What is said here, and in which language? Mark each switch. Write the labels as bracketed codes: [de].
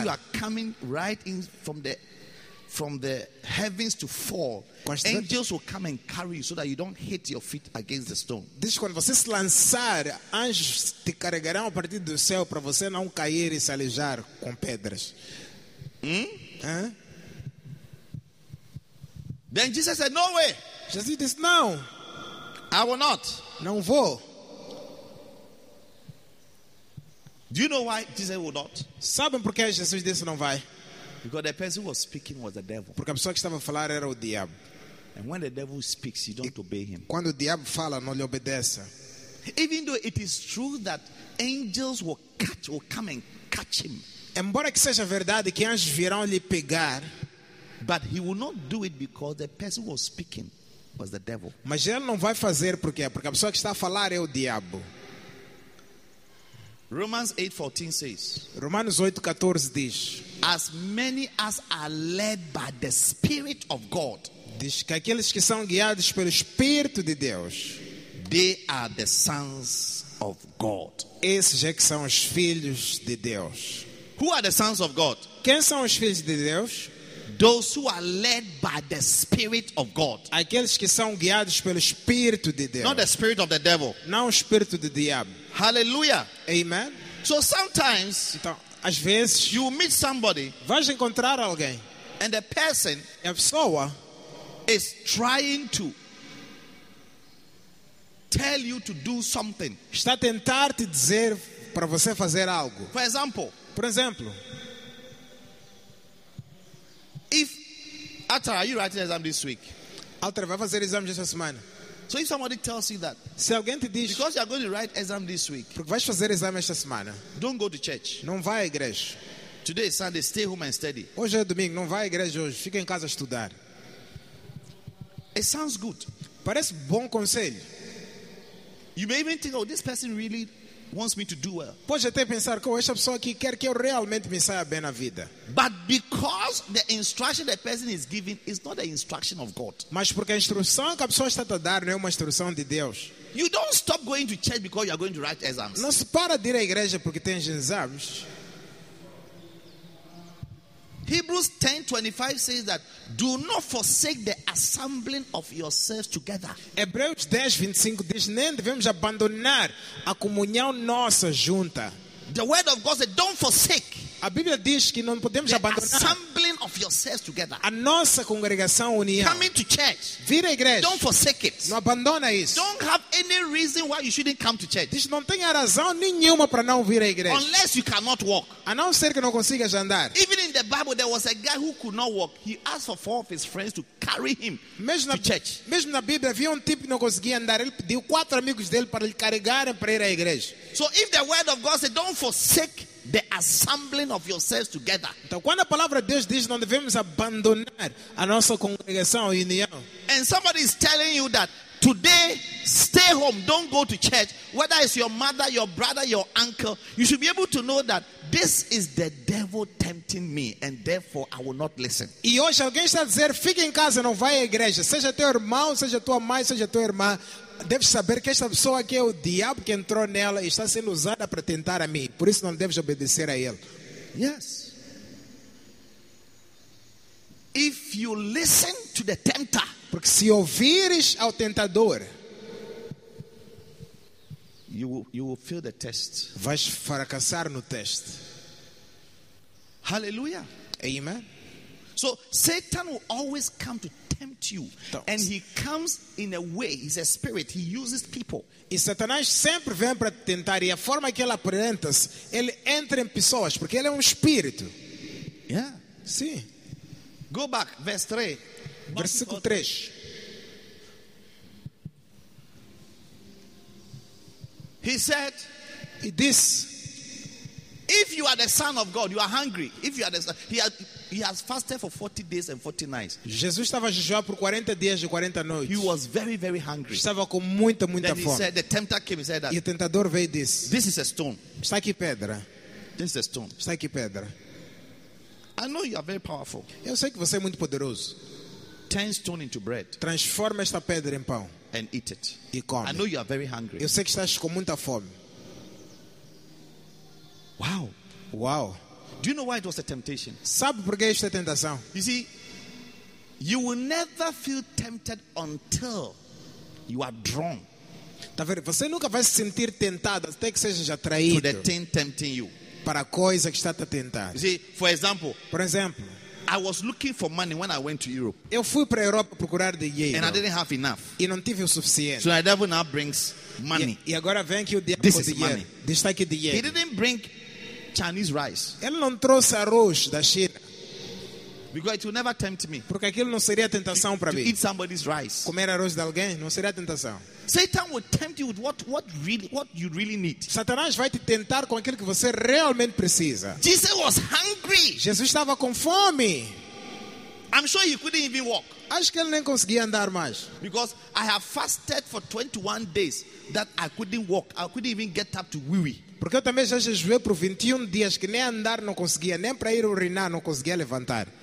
[en] When you are coming right in from the heavens to fall, angels will come and carry you so that you don't hit your feet against the stone. [pt] Diz, quando você se lançar, anjos te carregarão a partir do céu para você não cair e se aleijar com pedras. [en] Then Jesus said, no way. [pt] Jesus disse, não. [en] I will not. [pt] Não vou. [en] Do you know why Jesus will not? [pt] Sabem por que Jesus disse não vai? [en] Because the person who was speaking was the devil. [pt] Porque a pessoa que estava a falar era o diabo. [en] And when the devil speaks, you don't obey him. [pt] Quando o diabo fala, não lhe obedece. [en] Even though it is true that angels will come and catch him. [pt] Embora que seja verdade que anjos virão lhe pegar, [en] but he will not do it because the person who was speaking was the devil. [pt] Mas ele não vai fazer porque a pessoa que está a falar é o diabo. [en] Romans 8:14 says. [pt] Romanos 8:14 diz. [en] As many as are led by the Spirit of God. [pt] Diz que aqueles que são guiados pelo Espírito de Deus. [en] They are the sons of God. [pt] Esses é que são os filhos de Deus. [en] Who are the sons of God? [pt] Quem são os filhos de Deus? [en] Those who are led by the Spirit of God. [pt] Aqueles que são guiados pelo Espírito de Deus. [en] Not the spirit of the devil. [pt] Não o espírito do diabo. [en] Hallelujah. [pt] Amen. [en] So sometimes, [pt] então, às vezes, [en] you meet somebody, [pt] vais encontrar alguém, [en] and the person, [pt] a pessoa, [en] is trying to tell you to do something. [pt] Está a tentar te dizer para você fazer algo. [en] For example, [pt] por exemplo, [en] if Atra, are you writing exam this week? [pt] Atra, vai fazer exame esta semana. [en] So if somebody tells you that, [pt] se alguém te diz, [en] because you are going to write exam this week, [pt] porque vais fazer exame esta semana, [en] don't go to church. [pt] Não vai à igreja. [en] Today is Sunday. Stay home and study. [pt] Hoje é domingo. Não vai à igreja hoje. Fica em casa a estudar. [en] It sounds good. [pt] Parece bom conselho. [en] You may even think, oh, this person really wants me to do well. [pt] Pode até pensar que essa pessoa aqui quer que eu realmente me saia bem na vida. [en] But because the instruction the person is giving is not the instruction of God. [pt] Mas porque a instrução que a pessoa está a dar não é uma instrução de Deus. [en] You don't stop going to church because you are going to write exams. [pt] Não se para de ir à igreja porque tens exames. [en] Hebrews 10:25 says that do not forsake the assembling of yourselves together. [pt] Hebreus 10:25 diz nem devemos abandonar a comunhão nossa junta. [en] The word of God says don't forsake. [pt] A Bíblia diz que não podemos abandonar [en] assembling of yourselves together. [pt] A nossa congregação união. [en] Coming to church. [pt] Vir à igreja. [en] Don't forsake it. [pt] Não abandona isso. [en] Don't have any reason why you shouldn't come to church. [pt] Diz, não tenha razão nenhuma para não vir à igreja. [en] Unless you cannot walk. [pt] A não ser que não consigas andar. [en] Even in the Bible there was a guy who could not walk. He asked for four of his friends to carry him [pt] mesmo [en] to church. [pt] Mesmo na Bíblia havia tipo que não conseguia andar. Ele pediu quatro amigos dele para lhe carregarem para ir à igreja. [en] So if the word of God said don't forsake the assembling of yourselves together. [pt] Então, quando a palavra de Deus diz não devemos abandonar a nossa congregação, união. [en] And somebody is telling you that today stay home, don't go to church. Whether it's your mother, your brother, your uncle, you should be able to know that this is the devil tempting me, and therefore I will not listen. [pt] E hoje alguém está a dizer fique em casa, não vá à igreja. Seja teu irmão, seja tua mãe, seja tua irmã. Deve saber que esta pessoa aqui é o diabo que entrou nela e está sendo usada para tentar a mim. Por isso não deves obedecer a ele. [en] Yes. If you listen to the tempter, [pt] porque se ouvires ao tentador, [en] you will fail the test. [pt] Vais fracassar no teste. [en] Hallelujah. [pt] Amen. [en] So Satan will always come to tempt you. Então, and he comes in a way, he's a spirit, he uses people. [pt] E Satanás sempre vem para tentar, e a forma que ele apresenta-se, ele entra em pessoas, porque ele é espírito. [en] Yeah. [pt] Sim. [en] Go back, verse 3. [pt] Versículo 3. [en] He said, he this, if you are the son of God, you are hungry. If you are the son, he has fasted for 40 days and 40 nights. [pt] Jesus estava a jejuar por 40 dias e 40 noites. [en] He was very, very hungry. [pt] Estava com muita, muita [en] then [pt] fome. [en] He said, the tempter came, he said that. [pt] E o tentador veio e disse, [en] this is a stone. [pt] Está aqui pedra. [en] This is a stone. [pt] Está aqui pedra. [en] I know you are very powerful. [pt] Eu sei que você é muito poderoso. [en] Turn stone into bread. [pt] Transforma esta pedra em pão. [en] And eat it. [pt] E come. [en] I know you are very hungry. [pt] Eu sei que estás com muita fome. [en] Wow. [pt] Wow. [en] Do you know why it was a temptation? [pt] Sabe por que isto é tentação? [en] You see, you will never feel tempted until you are drawn. [pt] Tá vendo? Você nunca vai se sentir tentado até que seja atraído. [en] To the thing tempting you. [pt] Para a coisa que está a tentar. [en] You see, for example, [pt] por exemplo, [en] I was looking for money when I went to Europe. [pt] Eu fui para a Europa procurar dinheiro. [en] And I didn't have enough. [pt] E não tive o suficiente. [en] So the devil now brings money. [pt] E agora vem que o diabo [en] this is money. [pt] Diz aqui dinheiro. [en] He didn't bring Chinese rice. [pt] Ele não trouxe arroz da China. [en] Because it will never tempt me. [pt] Porque aquilo não seria tentação para mim. [en] To eat somebody's rice. [pt] Comer arroz de alguém não seria tentação. [en] Satan will tempt you with what you really need. [pt] Satanás vai te tentar com aquilo que você realmente precisa. [en] Jesus was hungry. [pt] Jesus estava com fome. [en] I'm sure he couldn't even walk. [pt] Acho que ele nem conseguia andar mais. [en] Because I have fasted for 21 days that I couldn't walk. I couldn't even get up to wee wee. [pt] Porque eu também já jejuei por 21 dias que nem andar não conseguia, nem para ir urinar não conseguia levantar.